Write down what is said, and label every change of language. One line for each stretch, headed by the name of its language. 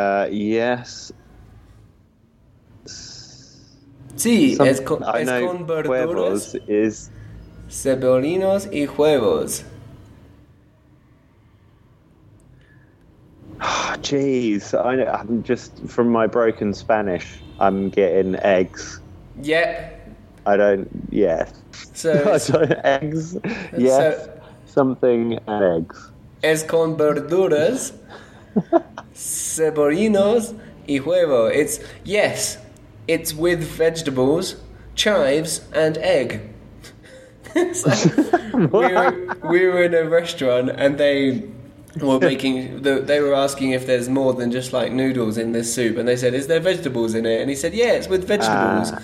English: Yes.
Spanish: Sí, es con verduras, cebollinos y huevos.
English: Jeez, I'm just from my broken Spanish. I'm getting eggs. Yep. I don't. Yeah. So eggs. Yes. So, something and eggs.
Spanish: Es con verduras, cebollinos y huevo.
English: It's yes. It's with vegetables, chives, and egg. So, we were in a restaurant and they. They were asking if there's more than just like noodles in this soup, and they said, "Is there vegetables in it?" And he said, "Yeah, it's with vegetables.